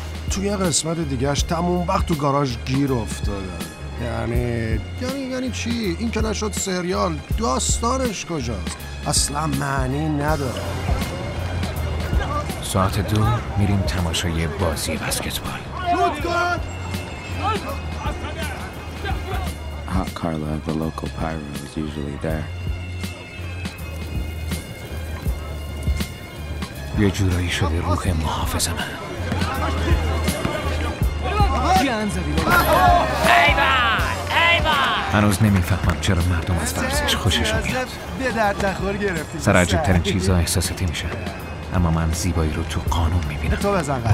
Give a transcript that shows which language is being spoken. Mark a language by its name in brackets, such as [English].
[Persian] توی قسمت دیگه‌اش تموم وقت تو گاراژ گیر افتادم. یعنی چی؟ این که نشد سریال، داستانش کجاست؟ اصلا معنی نداره. ساعت 2 میریم تماشای بازی بسکتبال. [English] Hot Carla, the local pyro, is usually there. [Persian] یه جورایی شده روح محافظ من. هنوز نمیفهمم چرا مردم از ورزش خوشش میاد. سر عجیب ترین چیزا احساساتی میشن، اما من زیبایی رو تو قانون میبینم.